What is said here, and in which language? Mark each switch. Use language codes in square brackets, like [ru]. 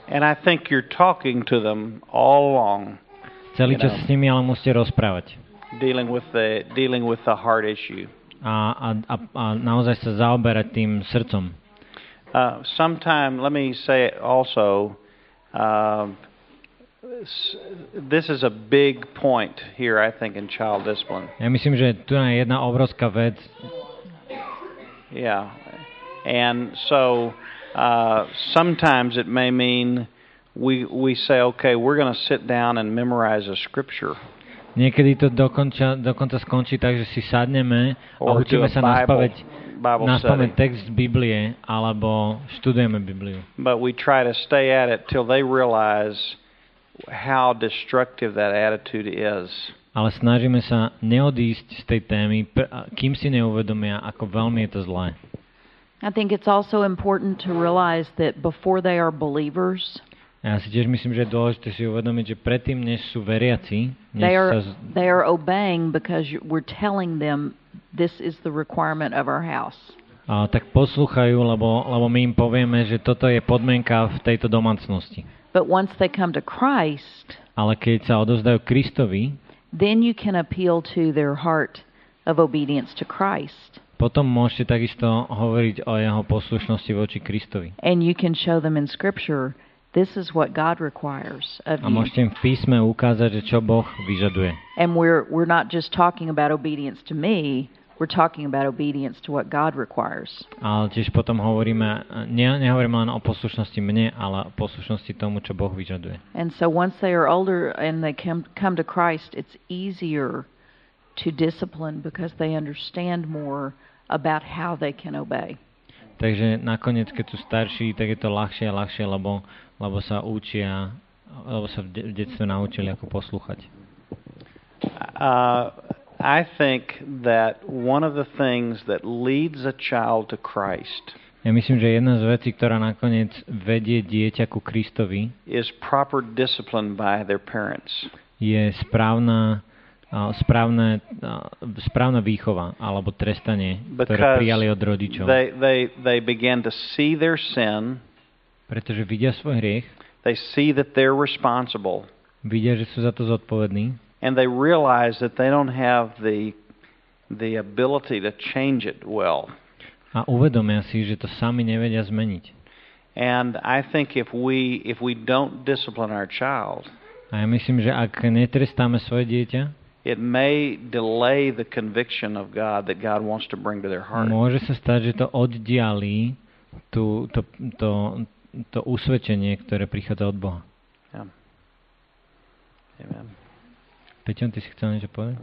[en] And I think you're talking to them all along. [sk] Celý čas s nimi ale musíte rozprávať. [en] Dealing with the heart issue. [sk] A naozaj sa zaoberať tým srdcom. [en] Sometime, let me say also, This is a big point here, I think, in child discipline. [sk] Ja myslím, že tu je jedna obrovská vec. [en] Yeah. And so sometimes it may mean we say, okay, we're going to sit down and memorize a scripture. [sk] Niekedy to dokonca skončí tak, že si sadneme a učíme sa naspamäť text z Biblie alebo študujeme Bibliu. [en] But we try to stay at it till they realize how destructive that attitude is. [sk] Ale snažíme sa neodísť z tej témy, kým si neuvedomia, ako veľmi je to zlé. [en] I think it's also important to realize that before they are believers. [sk] Ja si tiež myslím, že je dôležité si uvedomiť, že predtým, než sú veriaci, [en] they are obeying because we're telling them this is the requirement of our house. [sk] A tak poslúchajú, lebo my im povieme, že toto je podmienka v tejto domácnosti. [en] But once they come to Christ, [sk] ale keď sa odovzdajú Kristovi, [en] then you can appeal to their heart of obedience to Christ. [sk] Potom môžete takisto hovoriť o jeho poslušnosti voči Kristovi. [en] And you can show them in scripture this is what God requires of you. [sk] A môžete im v písme ukázať, že čo Boh vyžaduje. [en] And we're not just talking about obedience to me, we're talking about obedience to what God requires. [sk] Ale tiež potom hovoríme, nehovoríme len o poslušnosti mne, ale o poslušnosti tomu, čo Boh vyžaduje. [en] And so once they are older and they come to Christ, it's easier to discipline because they understand more about how they can obey. [sk] Takže nakoniec, keď sú starší, tak je to ľahšie a ľahšie, lebo sa učia, lebo sa v detstve naučili, ako poslúchať. [en] I think that one of the things that leads a child to Christ. [sk] Ja myslím, že jedna z vecí, ktorá nakoniec vedie dieťa ku Kristovi, [en] is proper discipline by their parents. [sk] Je správna výchova alebo trestanie, ktoré [en] because [sk] prijali od rodičov. [en] They began to see their sin. [sk] Pretože vidia svoj hriech. [en] They see that they're responsible. [sk] Vidia, že sú za to zodpovední. [en] And they realize that they don't have the ability to change it well. [sk] A uvedomia si, že to sami nevedia zmeniť. [en] And I think if we don't discipline our child. [sk] A ja myslím, že ak netrestáme svoje dieťa, [en] it may delay the conviction of God that God wants to bring to their heart. [sk] Môže sa stať, že to oddialí to usvedčenie, ktoré prichádza od Boha. [en] Yeah. Amen. [sk] Peťo, ty si chcel niečo povedať?